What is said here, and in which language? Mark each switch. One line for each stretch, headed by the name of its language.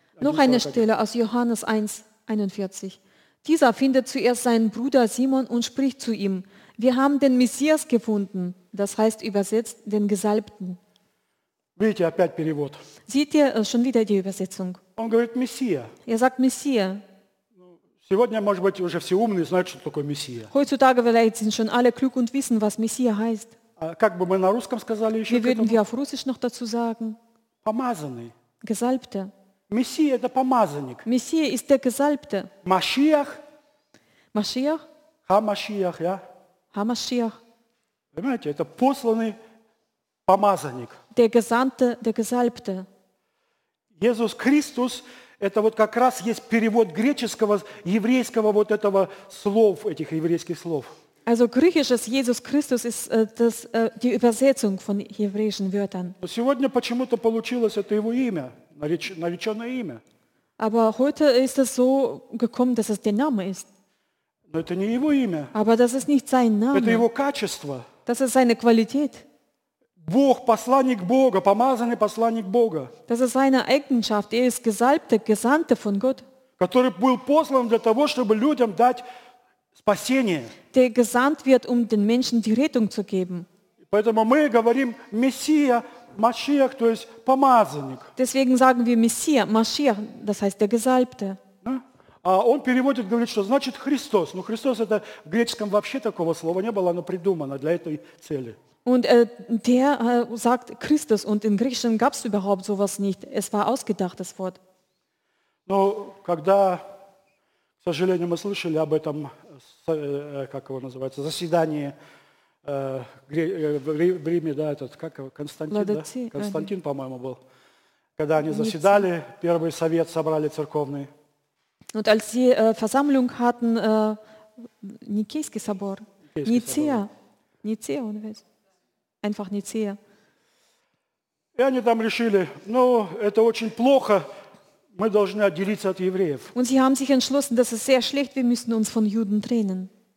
German: Noch eine Stelle aus Johannes 1:41. Dieser findet zuerst seinen Bruder Simon und spricht zu ihm, wir haben den Messias gefunden, das heißt übersetzt den Gesalbten.
Russian: Видите, опять перевод.
German: Seht ihr schon wieder die Übersetzung?
Russian: Он говорит Мессия.
German: Er sagt Messias.
Russian: Сегодня, может быть, уже все умные знают, что такое Мессия.
German: Heutzutage vielleicht sind schon alle klug und wissen, was Messias heißt.
Russian: Как бы мы на русском сказали еще?
German: Wie würden wir auf Russisch noch dazu sagen?
Russian: Помазанный.
German: Gesalbte.
Russian: Мессия – это помазанник.
German: Мессия ist der Gesalbte.
Russian: Машиах. Машиах. Ха-машиах, я. Ха-машиах. Понимаете, это посланный помазанник.
German: Der Gesandte, der Gesalbte.
Russian: Иисус Христос – это вот как раз есть перевод греческого, еврейского вот этого слов, этих еврейских слов.
German: Also griechisches Jesus Christus ist das, die Übersetzung von hebräischen Wörtern.
Russian: Сегодня почему-то получилось это его имя, нареченное имя.
German: Aber heute ist es so gekommen, dass es der Name ist.
Russian: Но это не его имя.
German: Aber das ist nicht sein Name.
Russian: Это его качество.
German: Das ist seine Qualität.
Russian: Бог, посланник Бога, помазанный посланник Бога.
German: Das ist seine Eigenschaft. Er ist gesalbte, gesandte von Gott.
Russian: Который был послан для того, чтобы людям дать спасение.
German: Der gesandt wird, um den Menschen die Rettung zu geben.
Russian: Поэтому мы говорим Мессия, Машиах, то есть помазанник.
German: Deswegen sagen wir Messia, Mashiach, das heißt der Gesalbte.
Russian: А он переводит, говорит, что значит Христос. Ну, Христос это в греческом вообще такого слова не было, оно придумано для этой цели.
German: Und der sagt Christus und in Griechischen gab es überhaupt sowas nicht. Es war ausgedachtes Wort.
Russian: Но когда, к сожалению, мы слышали об этом, как его называется, заседание в Риме, да, этот, как его, Константин, да? Константин, по-моему, был, когда они заседали, первый совет собрали церковный.
German: Und als sie Versammlung hatten,
Russian: Никейский собор,
German: Ницея, Ницея,
Russian: он весь,
German: einfach Ницея.
Russian: И они там решили, ну, это очень плохо, мы должны отделиться от евреев.
German: Und sie haben sich entschlossen, das ist sehr schlecht, wir müssen uns von Juden trennen.